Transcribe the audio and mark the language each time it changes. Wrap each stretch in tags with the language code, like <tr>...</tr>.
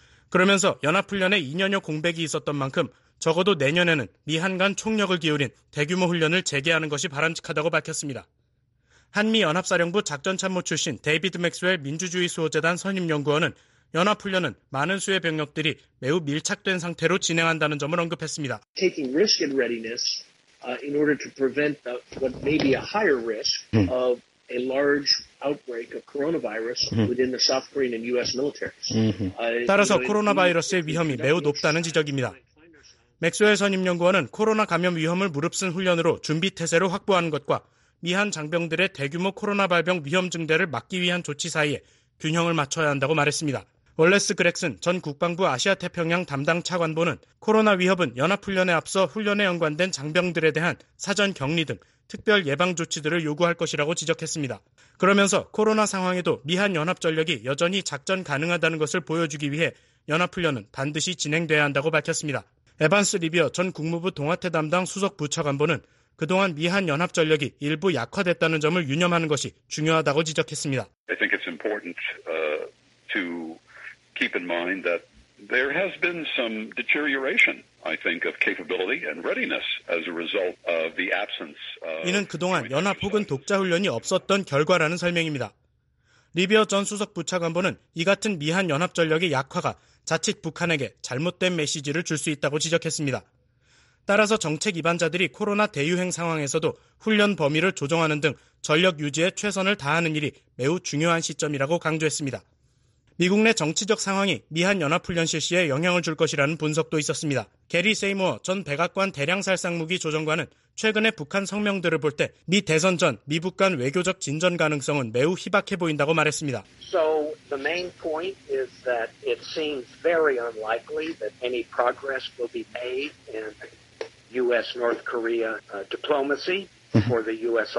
<ko>그러면서 연합훈련에 2년여 공백이 있었던 만큼 적어도 내년에는 미한 간 총력을 기울인 대규모 훈련을 재개하는 것이 바람직하다고 밝혔습니다. 한미연합사령부 작전참모 출신 데이비드 맥스웰 민주주의 수호재단 선임연구원은 연합훈련은 많은 수의 병력들이 매우 밀착된 상태로 진행한다는 점을 언급했습니다.</ko> <en>Taking risk and readiness. In order to prevent the, what may be a higher risk of a large outbreak of coronavirus within the South Korean and U.S. military.</en> <ko>따라서 코로나 바이러스의 위험이 매우 높다는 지적입니다. 맥스웰 선임연구원은 코로나 감염 위험을 무릅쓴 훈련으로 준비 태세를 확보하는 것과 미한 장병들의 대규모 코로나 발병 위험 증대를 막기 위한 조치 사이에 균형을 맞춰야 한다고 말했습니다. 월레스 그렉슨 전 국방부 아시아태평양 담당 차관보는 코로나 위협은 연합훈련에 앞서 훈련에 연관된 장병들에 대한 사전 격리 등 특별 예방 조치들을 요구할 것이라고 지적했습니다. 그러면서 코로나 상황에도 미한 연합 전력이 여전히 작전 가능하다는 것을 보여주기 위해 연합훈련은 반드시 진행돼야 한다고 밝혔습니다. 에반스 리비어 전 국무부 동아태 담당 수석 부차관보는 그동안 미한 연합 전력이 일부 약화됐다는 점을 유념하는 것이 중요하다고 지적했습니다.</ko> <en>I think it's important to keep in mind that there has been some deterioration, I think, of capability and readiness as a result of the absence of.</en> <ko>이는 그동안 연합 혹은 독자 훈련이 없었던 결과라는 설명입니다. 리비어 전 수석 부차관보는 이 같은 미한 연합 전력의 약화가 자칫 북한에게 잘못된 메시지를 줄 수 있다고 지적했습니다. 따라서 정책 이반자들이 코로나 대유행 상황에서도 훈련 범위를 조정하는 등 전력 유지에 최선을 다하는 일이 매우 중요한 시점이라고 강조했습니다. 미국 내 정치적 상황이 미한연합훈련 실시에 영향을 줄 것이라는 분석도 있었습니다. 게리 세이모어 전 백악관 대량살상무기 조정관은 최근의 북한 성명들을 볼 때 미 대선 전 미북 간 외교적 진전 가능성은 매우 희박해 보인다고 말했습니다.</ko> <en>So the main point is that it seems very unlikely that any progress will be made in U.S.-North Korea diplomacy for the U.S.</en>